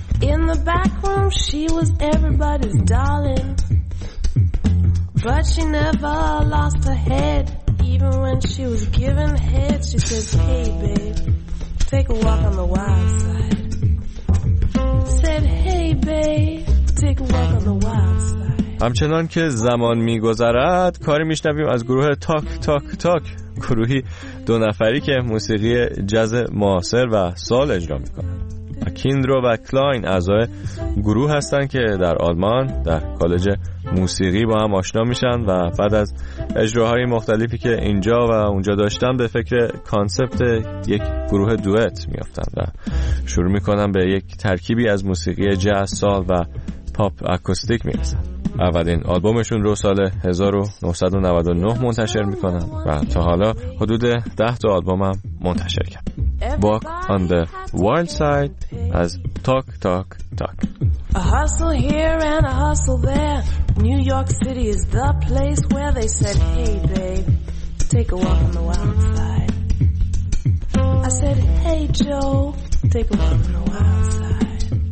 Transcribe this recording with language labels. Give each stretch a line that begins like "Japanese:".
English: In the back room, she was everybody's darling. But she never lost her head. Even when she was given head, she says, hey babe, take a walk on the wild side. Said, hey babe, take a walk on the wild side.
Persian: همچنان که زمان میگذرد کاری میشنویم از گروه تاک تاک تاک، گروهی دو نفری که موسیقی جاز معاصر و سال اجرا میکنند. کیندرو و کلاین اعضای گروه هستند که در آلمان در کالج موسیقی با هم آشنا میشن و بعد از اجراهای مختلفی که اینجا و اونجا داشتن به فکر کانسپت یک گروه دوئت میافتن و شروع میکنن به یک ترکیبی از موسیقی جاز سال و پاپ اکوستیک میرسن. اولین آلبومشون رو سال 1999 منتشر میکنن و تا حالا حدود 10 تا آلبوم هم منتشر کرد. Walk on the Wild Side از Talk Talk Talk.
English: A hustle here and a hustle there. New York City is the place where they said, hey babe, take a walk on the wild side. I said, hey Joe, take a walk on the wild side.